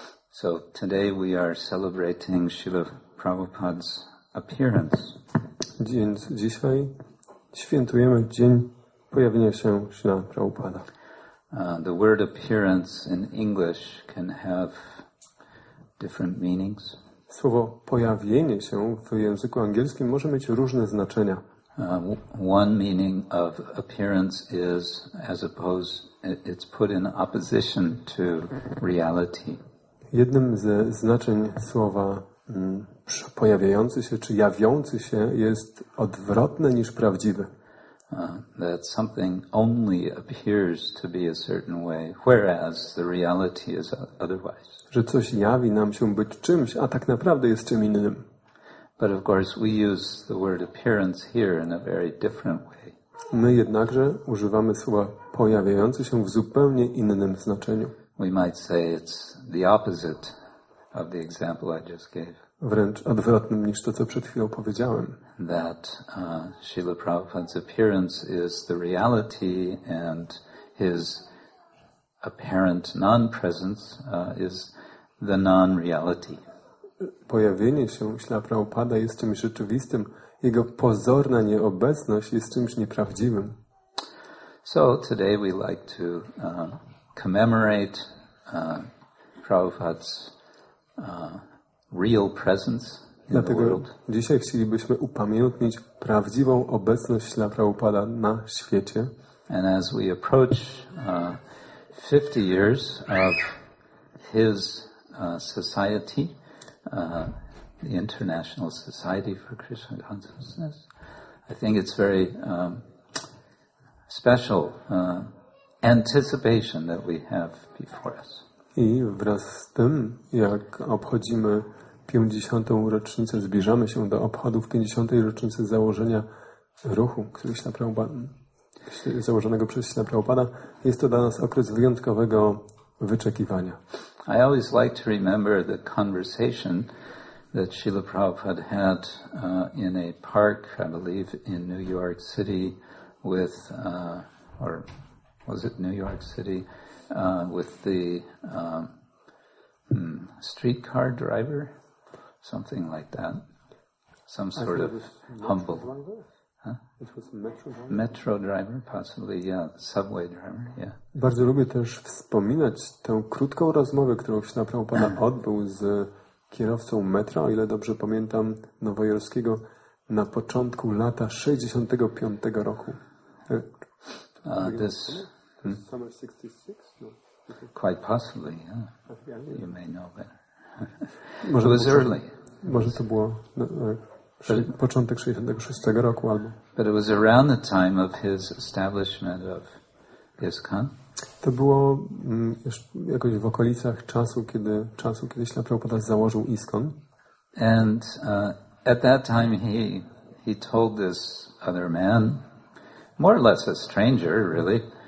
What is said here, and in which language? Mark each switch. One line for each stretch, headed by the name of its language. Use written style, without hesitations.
English: So today we are celebrating Srila Prabhupada's appearance.
Polish: Dzisiaj świętujemy dzień pojawienia się Srila Prabhupada.
English: The word appearance in English can have different meanings.
Polish: Słowo pojawienie się w języku angielskim może mieć różne znaczenia.
English: One meaning of appearance is as opposed, it's put in opposition to reality.
Polish: Jednym ze znaczeń słowa pojawiający się czy jawiący się jest odwrotne niż prawdziwy.
English: That something only appears to be a certain way, whereas the reality is otherwise.
Polish: Że coś jawi nam się być czymś, a tak naprawdę jest czym innym.
English: But of course we use the word appearance here in a very different way.
Polish: My jednakże używamy słowa pojawiający się w zupełnie innym znaczeniu.
English: We might say it's the opposite of the example I just gave.
Polish: Wręcz odwrotnym niż to, co przed chwilą powiedziałem.
English: That Srila Prabhupada's appearance is the reality and his apparent non-presence is the non-reality.
Polish: Pojawienie się Srila Prabhupada jest czymś rzeczywistym. Jego pozorna nieobecność jest czymś nieprawdziwym.
English: So today we like to commemorate Prabhupada's real presence in
Polish: dlatego
English: the world.
Polish: Dzisiaj chcielibyśmy upamiętnić prawdziwą obecność Śla Prabhupada na świecie.
English: And as we approach 50 years of his society, the International Society for Krishna Consciousness, I think it's very special anticipation that we have before us.
Polish: I wraz z tym, jak obchodzimy 50. rocznicę, zbliżamy się do obchodów 50. rocznicy założenia ruchu, który się założonego przez Śla Prabhupada, jest to dla nas okres wyjątkowego wyczekiwania.
English: I always like to remember the conversation that Śrīla Prabhupāda had in a park, I believe, in New York City with, or was it New York City? With the streetcar driver, something like that, some sort of humble. Driver? Huh? It was a metro driver. Metro driver, possibly, yeah, subway driver, yeah.
Polish: Bardzo lubię też wspominać tę krótką rozmowę, którą się naprawdę pana odbył z kierowcą metra, o ile dobrze pamiętam, nowojorskiego na początku lata 65 roku.
English: This. Summer 66? No. Quite possibly, yeah. You may know better. It was early.
Polish: Może to było początek 66 roku albo.
English: But it was around the time of his establishment of ISKCON.
Polish: To było jakoś w okolicach czasu kiedy Śla Prabhupada założył ISKCON.
English: And at that time he told this other man, more or less a stranger, really.